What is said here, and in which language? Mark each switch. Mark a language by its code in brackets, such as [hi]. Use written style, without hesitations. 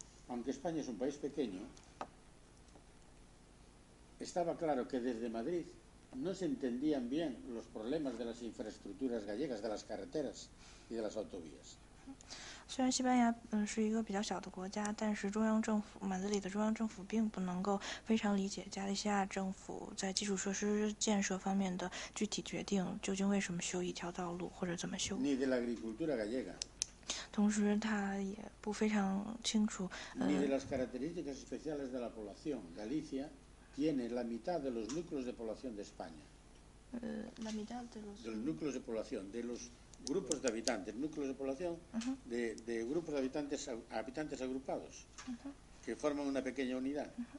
[es] Aunque España es un país pequeño, estaba claro que desde Madrid no se entendían bien los problemas de las infraestructuras gallegas, de las carreteras y de las autovías. [zh] 虽然西班牙是一个比较小的国家，但是中央政府，马德里的中央政府并不能够非常理解加利西亚政府在基础设施建设方面的具体决定，究竟为什么修一条道路或者怎么修。 [es] Ni de la agricultura gallega. [zh] 同时，他也不非常清楚。 [es] Ni de las características especiales de la población. Galicia tiene la mitad de los núcleos de población de España. La mitad de los. De los núcleos de población de los. Grupos de habitantes, núcleos de población, de grupos de habitantes agrupados, que forman una pequeña unidad.